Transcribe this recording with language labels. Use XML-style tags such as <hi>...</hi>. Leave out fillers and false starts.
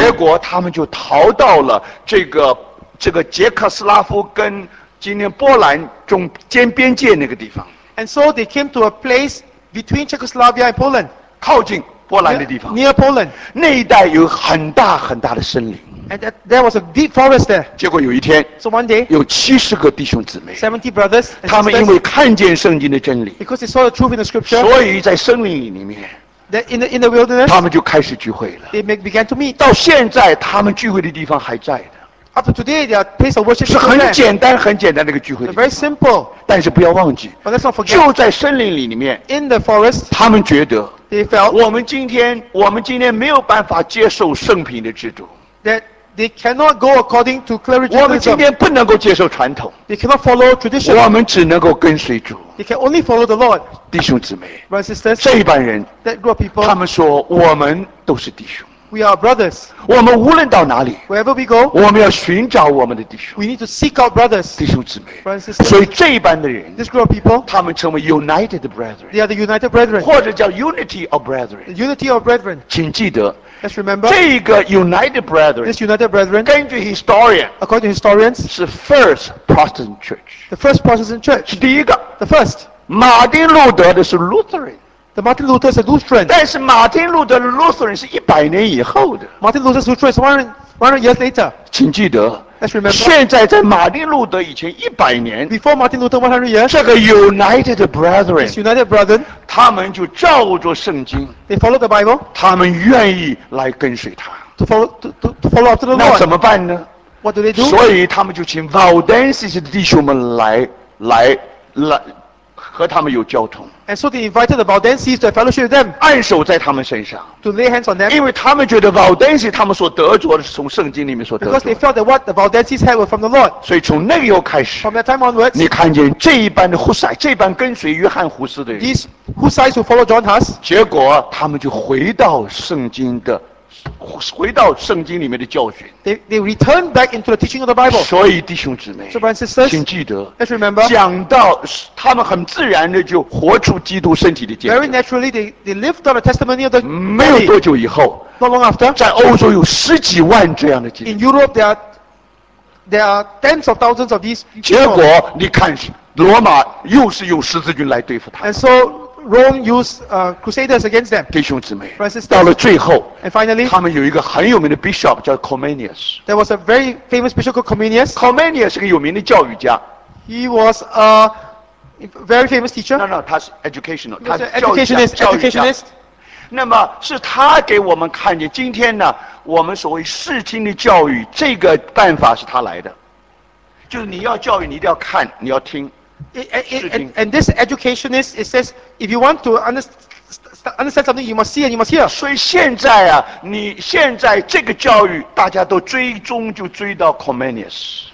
<zh>结果他们就逃到了这个捷克斯拉夫跟今天波兰中间边界那个地方。</zh> <en>And so they came to a place between Czechoslovakia and Poland.</en> <zh>靠近波兰的地方。</zh> <en>Near Poland.</en> <zh>那一带有很大很大的森林。</zh> <en>And that there was a deep forest there.</en> <zh>结果有一天</zh> <en>so one day,</en> <zh>有七十个弟兄姊妹</zh> <en>70 brothers,</en> <zh>他们因为看见圣经的真理</zh> <en>because they saw the truth in the scripture,</en> <zh>所以在森林里面</zh> <en>that in the wilderness,</en> <zh>他们就开始聚会了</zh> <en>they began to meet.</en> <zh>到现在他们聚会的地方还在的</zh> <en>up to today, their place of worship</en> <zh>是很简单很简单的一个聚会</zh> <en>very simple,</en> <zh>但是不要忘记</zh> <en>but let's not forget,</en> <zh>就在森林里面</zh> <en>in the forest,</en> <zh>他们觉得</zh> <en>they felt,</en> <zh>我们今天没有办法接受圣品的制度</zh> <en>thatThey cannot go according to clericalism.</en> <zh>我们今天不能够接受传统。</zh> <en>They cannot follow tradition.</en> <zh>我们只能够跟随主。</zh> <en>They can only follow the Lord.</en> <zh>弟兄姊妹。</zh> <en>Brothers and sisters.</en> <zh>这一班人。</zh> <en>That group of people.</en> <zh>他们说我们都是弟兄。</zh> <en>We are brothers.</en> <zh>我们无论到哪里。</zh> <en>Wherever we go.</en> <zh>我们要寻找我们的弟兄。</zh> <en>We need to seek out brothers.</en> <zh>弟兄姊妹。</zh> <en>Brothers and sisters.</en> <zh>所以这一班的人。</zh> <en>This group of people.</en> <zh>他们称为 united brethren.</zh> <en>They are the united brethren.</en> <zh>或者叫 unity of brethren.</zh> <en>The unity of brethren.</en> <zh>请记得。</zh> <en>Let's remember,</en> <zh>这个 United Brethren,</zh> <en>this United Brethren,</en> <zh>根据 historian,</zh> <en>according to historians,</en> <zh>是 First Protestant Church,</zh> <en>the First Protestant Church,</en> <zh>第一个</zh> <en>the first,</en> <zh>马丁路德的是 Lutheran,</zh> <en>the Martin Luther is a Lutheran,</en> <zh>但是马丁路德的 Lutheran 是一百年以后的</zh> <en>Martin Luther's Lutheran is 100 years later,</en> <zh>请记得</zh> <en>let's remember,</en> <zh>现在在马丁路德以前一百年</zh> <en>before Martin Luther 100 years,</en> <zh>这个 United Brethren,</zh> <en>this United Brethren,</en> <zh>他们就照着圣经</zh> <en>they follow the Bible,</en> <zh>他们愿意来跟随他</zh> <en>to follow after the Lord</en> <zh>那怎么办呢</zh> <en>what do they do?</en> <zh>所以他们就请 Valdenses 的弟兄们 来和他们有交通</zh> <en>and so they invited the Valdenses to fellowship with them</en> <zh>按手在他们身上</zh> <en>to lay hands on them</en> <zh>因为他们觉得 Valdenses 他们所得着的是从圣经里面所得着的</zh> <en>because they felt that what the Valdenses had were from the Lord</en> <zh>所以从那个时候开始</zh> <en>from that time onwards</en> <zh>你看见这一班的胡塞这一班跟随约翰胡斯的人</zh> <en>these Hussites who follow John Huss</en> <zh>结果他们就回到圣经的回到圣经里面的教训</zh> <en>they return back into the teaching of the Bible</en> <zh>所以弟兄姊妹</zh> <en>so, brothers and sisters,</en> <zh>请记得</zh> <en>let's remember,</en> <zh>讲到他们很自然的就活出基督身体的见证</zh> <en>very naturally they lived out the testimony of the body</en> <zh>没有多久以后</zh> <en>not long after,</en> <zh>在欧洲有十几万这样的基督徒</zh> <en>in Europe there are tens of thousands of these people</en> <zh>结果你看罗马又是用十字军来对付他</zh> <en>and soRome used crusaders against them.</en> <zh>弟兄姊妹</zh> <en>Francis,</en> <zh>到了最后</zh> <en>and finally,</en> <zh>他们有一个很有名的 bishop 叫 Comenius.</zh> <en>There was a very famous bishop called Comenius.</en> <zh>Comenius 是个有名的教育家</zh> <en>He was a very famous teacher. No,</en> <zh>他是 educational. 他是</zh> <en>educationist.</en> <zh>那么是他给我们看见今天呢我们所谓视听的教育这个办法是他来的。就是你要教育你一定要看你要听。</zh> <en>And this educationist, it says, if you want to understand something, you must see and you must hear.</en> <zh>所以现在啊，你现在这个教育，大家都追踪就追到 Comenius.</zh>